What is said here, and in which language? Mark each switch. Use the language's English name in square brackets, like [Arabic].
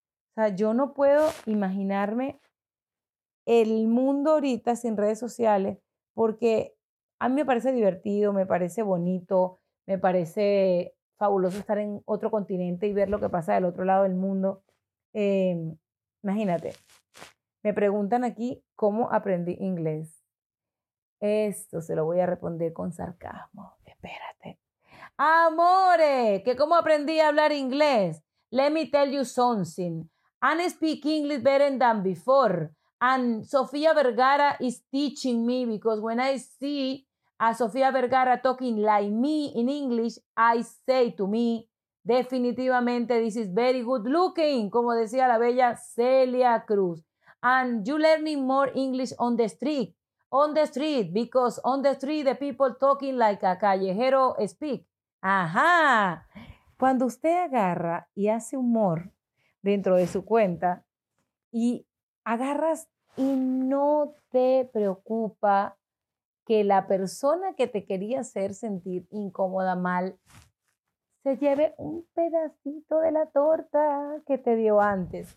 [Spanish] O sea, yo no puedo imaginarme el mundo ahorita sin redes sociales porque a mí me parece divertido, me parece bonito, me parece fabuloso estar en otro continente y ver lo que pasa del otro lado del mundo. Imagínate, me preguntan aquí cómo aprendí inglés. Esto se lo voy a responder con sarcasmo. Espérate. ¡Amore! ¿Que cómo aprendí a hablar inglés? [English] Let me tell you something. I speak English better than before. And Sofía Vergara is teaching me because when I see a Sofía Vergara talking like me in English, I say to me, definitivamente this is very good looking, [Spanish] como decía la bella Celia Cruz. [English] And you learning more English on the street. On the street, because on the street the people talking like a callejero speak. Ajá. [Spanish] Cuando usted agarra y hace humor dentro de su cuenta, y agarras y no te preocupa que la persona que te quería hacer sentir incómoda, mal, se lleve un pedacito de la torta que te dio antes.